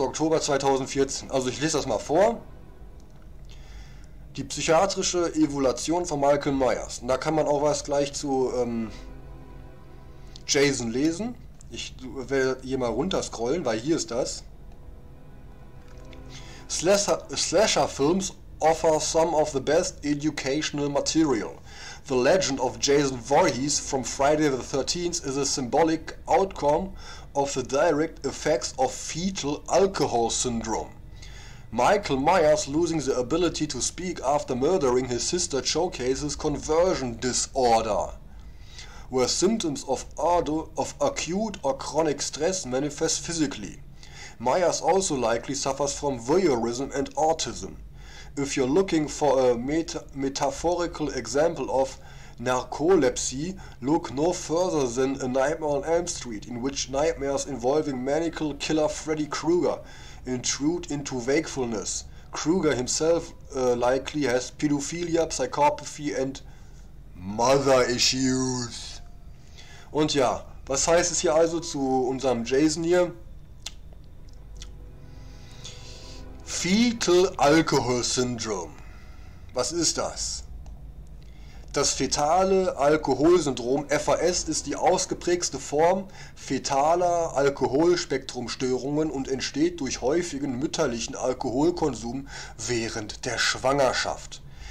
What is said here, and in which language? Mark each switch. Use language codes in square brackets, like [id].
[de] Oktober 2014. Also ich lese das mal vor. Die psychiatrische Evaluation von Michael Myers. Und da kann man auch was gleich zu Jason lesen. Ich werde hier mal runterscrollen, weil hier ist das. [en] Slasher Films offer some of the best educational material. The legend of Jason Voorhees from Friday the 13th is a symbolic outcome of the direct effects of fetal alcohol syndrome. Michael Myers losing the ability to speak after murdering his sister showcases conversion disorder, where symptoms of acute or chronic stress manifest physically. Myers also likely suffers from voyeurism and autism. If you're looking for a metaphorical example of narcolepsy, look no further than A Nightmare on Elm Street, in which nightmares involving maniacal killer Freddy Krueger intrude into wakefulness. Krueger himself likely has pedophilia, psychopathy and mother issues. [de] Und ja, was heißt es hier also zu unserem Jason hier? Fetal Alcohol Syndrome. Was ist das? Das fetale Alkoholsyndrom, FAS, ist die ausgeprägste Form fetaler Alkoholspektrumstörungen und entsteht durch häufigen mütterlichen Alkoholkonsum während der Schwangerschaft.